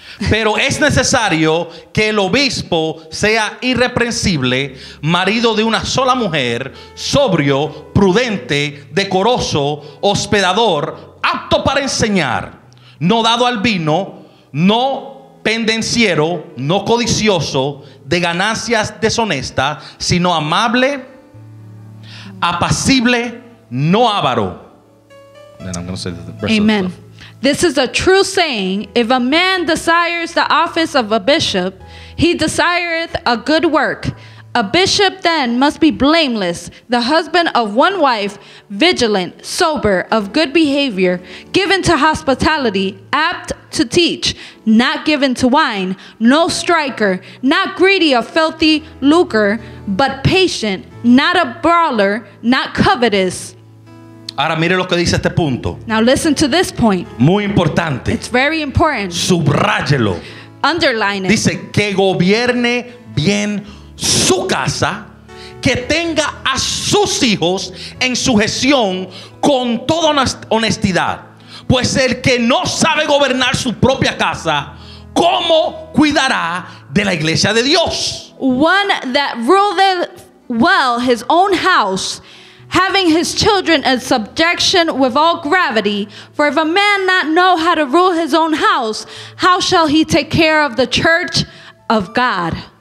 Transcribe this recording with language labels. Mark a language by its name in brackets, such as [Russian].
[Spanish] Pero es necesario que el obispo sea irreprensible, marido de una sola mujer, sobrio, prudente, decoroso, hospedador, apto para enseñar, no dado al vino, no pendenciero, no codicioso, de ganancias deshonestas, sino amable, apacible, no avaro. [English] Amen. This is a true saying, if a man desires the office of a bishop, he desireth a good work. A bishop then must be blameless, the husband of one wife, vigilant, sober, of good behavior, given to hospitality, apt to teach, not given to wine, no striker, not greedy of filthy lucre, but patient, not a brawler, not covetous. [Spanish] Ahora mire lo que dice este punto. [English] Now listen to this point. [Spanish] Muy importante. [English] It's very important. [Spanish] Subráyelo. [English] Underline it. [Spanish] Dice que gobierne bien su casa, que tenga a sus hijos en sujeción con toda honestidad. Pues el que no sabe gobernar su propia casa, ¿cómo cuidará de la iglesia de Dios? [English] One that ruled well his own house, having his children in subjection with all gravity, for if a man not know how to rule his own house, how shall he take care of the church of God?